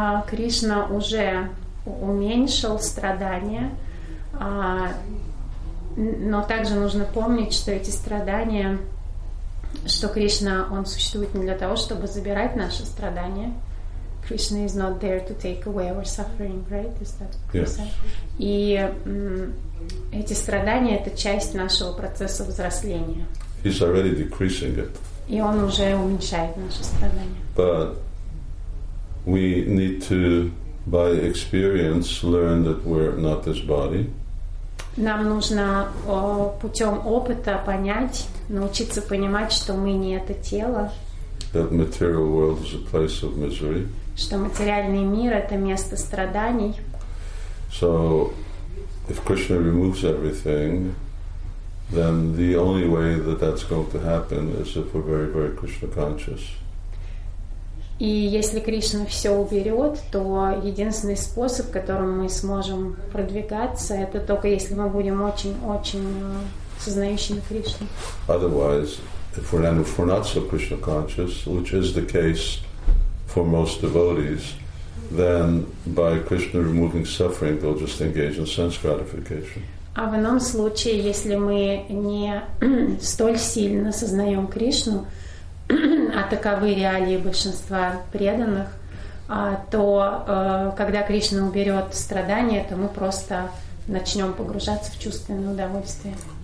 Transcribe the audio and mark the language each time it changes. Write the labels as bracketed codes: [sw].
[ru] Кришна уже уменьшил страдания, но также нужно помнить, что эти страдания, что Кришна, он существует не для того, чтобы забирать наши страдания. [en] Krishna is not there to take away our suffering, right? Is that what you said? [ru] И эти страдания — это часть нашего процесса взросления. [en] He's already decreasing it. [ru] И он уже уменьшает наши страдания. [en] But we need to, by experience, learn that we're not this body. [ru] Нам нужно путем опыта понять, научиться понимать, что мы не это тело. [en] That material world is a place of misery. [ru] Что материальный мир — это место страданий. [en] So, if Krishna removes everything, then the only way that that's going to happen is if we're very, very Krishna conscious. [ru] И если Кришна все уберет, то единственный способ, которым мы сможем продвигаться, это только если мы будем очень-очень сознающими Кришну. [en] Otherwise, if we're not so Krishna conscious, which is the case for most devotees, then by Krishna removing suffering, they'll just engage in sense gratification. [ru] А в ином случае, если мы не столь сильно сознаем Кришну, а таковы реалии большинства преданных, то когда Кришна уберет страдания, то мы просто начнем погружаться в чувственное удовольствие.